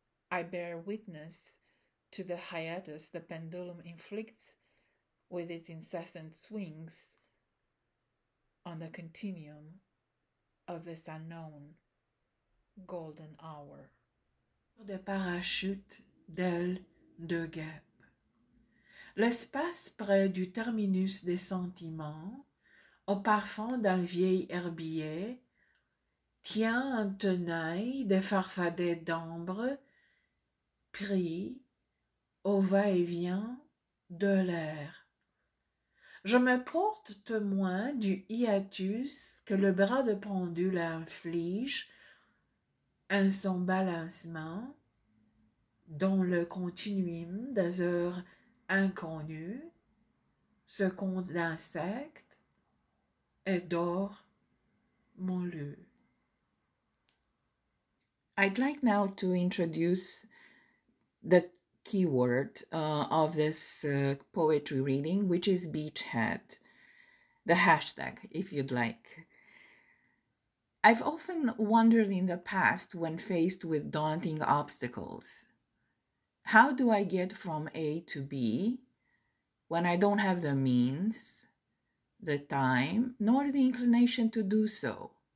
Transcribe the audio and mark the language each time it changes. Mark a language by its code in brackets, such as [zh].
[en] I bear witness to the hiatus the pendulum inflicts with its incessant swings on the continuum of this unknown golden hour. [fr] de parachute d'ailes de guêpe. L'espace près du terminus des sentiments, au parfum d'un vieil herbier, tient un tenail de farfadets d'ambre pris au va-et-vient de l'air. Je me porte témoin du hiatus que le bras de pendule inflige en son balancement dans le continuum des heures inconnues, ce conte d'insectes et d'or moulu. [en] I'd like now to introduce the keyword of this poetry reading, which is Beachhead, the hashtag, if you'd like. I've often wondered in the past when faced with daunting obstacles, how do I get from A to B when I don't have the means, the time, nor the inclination to do so?